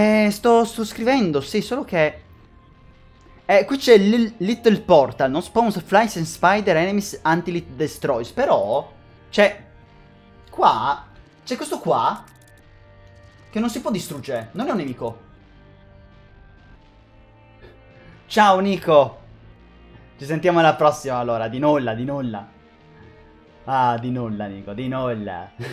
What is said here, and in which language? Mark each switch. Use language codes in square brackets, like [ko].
[it] Sto scrivendo, sì, solo che... qui c'è Little Portal, no? [en] Spawns flies and spider enemies until it destroys. [it] Però, c'è... Qua, c'è questo qua, che non si può distruggere. Non è un nemico. Ciao, Nico. Ci sentiamo alla prossima, allora. Di nulla, di nulla. Ah, di nulla, Nico, di nulla.